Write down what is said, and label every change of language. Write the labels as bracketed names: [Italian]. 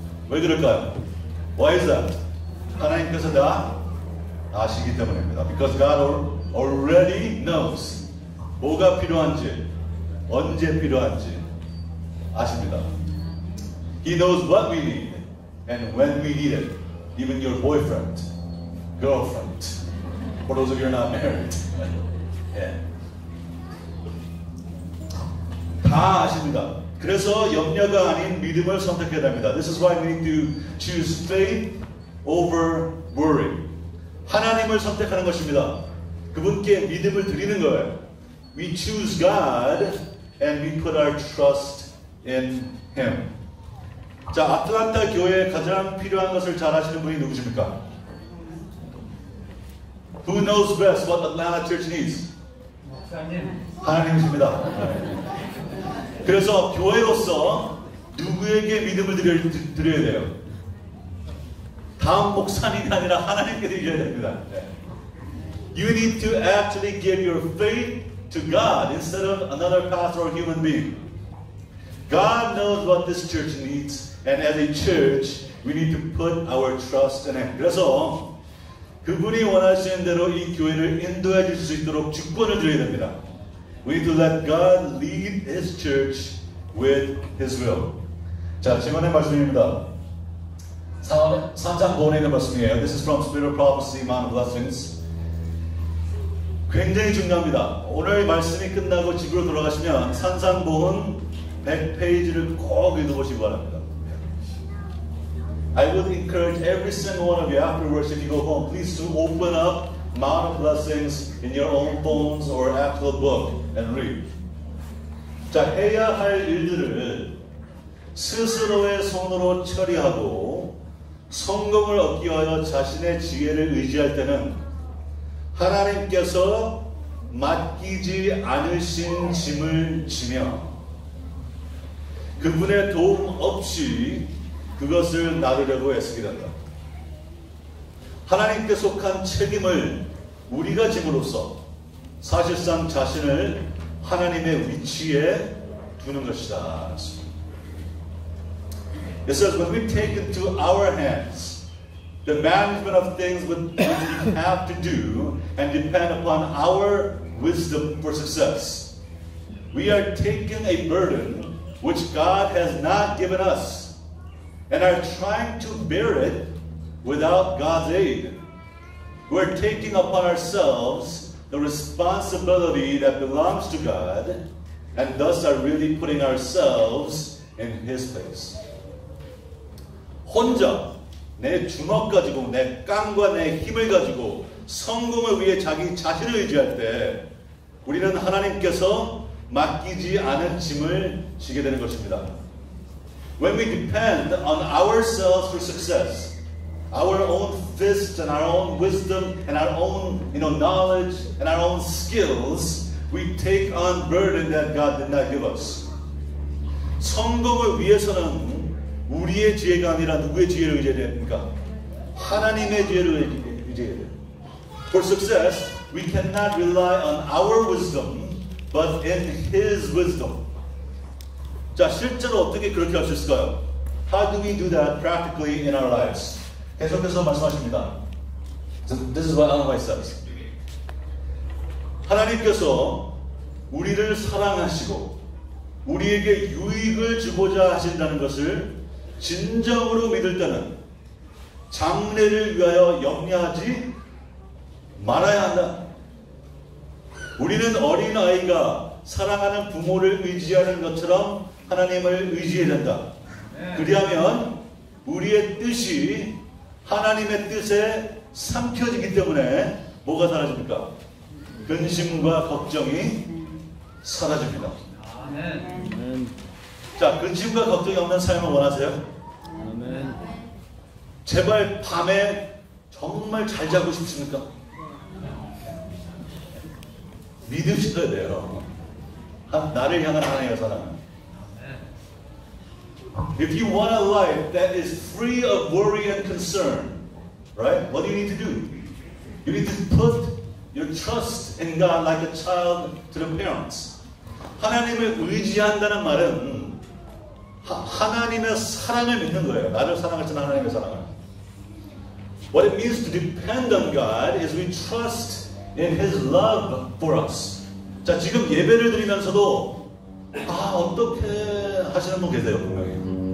[Korean] 왜 그럴까요? [English] Why is that? [Korean] 하나님께서 다 아시기 때문입니다. [English] Because God already knows [Korean] 뭐가 필요한지, 언제 필요한지 아십니다. [English] He knows what we need and when we need it. Even your boyfriend, girlfriend, for those of you who are not married. Yeah. [Korean] 다 아십니다. 그래서 염려가 아닌 믿음을 선택해야 됩니다. [English] This is why we need to choose faith over worry. [Korean] 하나님을 선택하는 것입니다. 그분께 믿음을 드리는 거예요. [English] We choose God and we put our trust in Him. [Korean] 자, 아틀란타 교회에 가장 필요한 것을 잘 아시는 분이 누구십니까? [English] Who knows best what Atlanta Church needs? [Korean] 목사님. 하나님이십니다. 그래서 교회로서 누구에게 믿음을 드려야 돼요? 다음 목사님이 아니라 하나님께 드려야 됩니다. [English] You need to actually give your faith to God instead of another pastor or human being. God knows what this church needs and as a church, we need to put our trust in Him. [Korean] 그래서 그분이 원하시는 대로 이 교회를 인도해 줄 수 있도록 주권을 드려야 됩니다. [English] We need to let God lead His church with His will. [Korean] 자, 지난해 말씀입니다. 3장 본에 있는 말씀이에요. [English] This is from Spirit of Prophecy, Mount of Blessings. [Korean] 굉장히 중요합니다. 오늘 말씀이 끝나고 집으로 돌아가시면 산상보훈 100페이지를 꼭 읽어보시기 바랍니다. [English] I would encourage every single one of you after worship, you go home, please to open up mount of blessings in your own phones or after the book and read. [Korean] 자, 해야 할 일들을 스스로의 손으로 처리하고 성공을 얻기 위하여 자신의 지혜를 의지할 때는 하나님께서 맡기지 않으신 짐을 지며 그분의 도움 없이 그것을 나르려고 애쓰기도 한다. 하나님께 속한 책임을 우리가 짐으로써 사실상 자신을 하나님의 위치에 두는 것이다. [English] It says, when we take into our hands the management of things which we have to do and depend upon our wisdom for success, we are taking a burden which God has not given us and are trying to bear it without God's aid. We're taking upon ourselves the responsibility that belongs to God and thus are really putting ourselves in His place. [Korean] 혼자 내 주먹 가지고 내 깡과 내 힘을 가지고 성공을 위해 자기 자신을 의지할 때 우리는 하나님께서 맡기지 않은 짐을 지게 되는 것입니다. [English] When we depend on ourselves for success, our own fists and our own wisdom and our own, you know, knowledge and our own skills, we take on burden that God did not give us. [Korean] 성공을 위해서는 우리의 지혜가 아니라 누구의 지혜를 의지해야 됩니까? 하나님의 지혜를 의지해야 돼요. [English] For success, we cannot rely on our wisdom, but in His wisdom. [Korean] 자, 실제로 어떻게 그렇게 할 수 있을까요? [English] How do we do that practically in our lives? [Korean] 계속해서 말씀하십니다. [English] So this is what Ellen White says. [Korean] 하나님께서 우리를 사랑하시고 우리에게 유익을 주고자 하신다는 것을 진정으로 믿을 때는 장래를 위하여 염려하지 말아야 한다. 우리는 어린 아이가 사랑하는 부모를 의지하는 것처럼 하나님을 의지해야 된다. 그리하면 우리의 뜻이 하나님의 뜻에 삼켜지기 때문에 뭐가 사라집니까? 근심과 걱정이 사라집니다. 자, 근심과 걱정이 없는 삶을 원하세요? 제발 밤에 정말 잘 자고 싶습니까? 믿으셔야 돼요. 나를 향한 하나님의 사랑. [English] If you want a life that is free of worry and concern, right? What do you need to do? You need to put your trust in God like a child to the parents. [Korean] 하나님을 의지한다는 말은 하나님의 사랑을 믿는 거예요. 나를 사랑하시는 하나님의 사랑을. [English] What it means to depend on God is we trust in His love for us. [Korean] 자, 지금 예배를 드리면서도 아, 어떻게 하시는 분 계세요, 분명히.